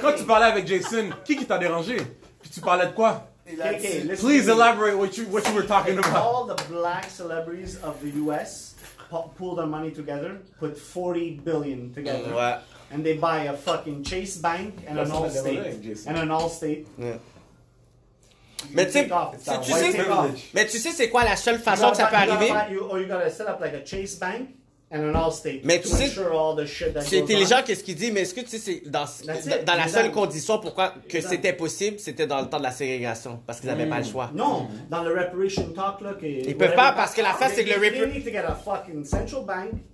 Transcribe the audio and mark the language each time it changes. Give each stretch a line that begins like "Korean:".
French: Quand tu parlais avec Jason, qui t'a dérangé? Puis tu parlais de quoi?
English: K-K, please elaborate what you were talking K-K. About. All the black celebrities of the U.S. pooled their money together, put $40 billion together.
French: Ouais.
English: and they buy a fucking Chase Bank and an Allstate. And an Allstate.
French: Mais tu sais, c'est quoi la seule façon que ça peut arriver?
English: Or you gotta set up like a Chase Bank. And an Allstate.
French: Mais tu sais, c'est intelligent qu'est-ce qu'il dit, mais est-ce que tu sais, c'est dans la seule condition pourquoi que c'était possible, c'était dans le temps de la ségrégation, parce qu'ils n'avaient pas le choix. Non, dans le reparation talk, là, que... Ils peuvent pas, parce que la face, c'est que le...
English: They need to get a fucking central bank.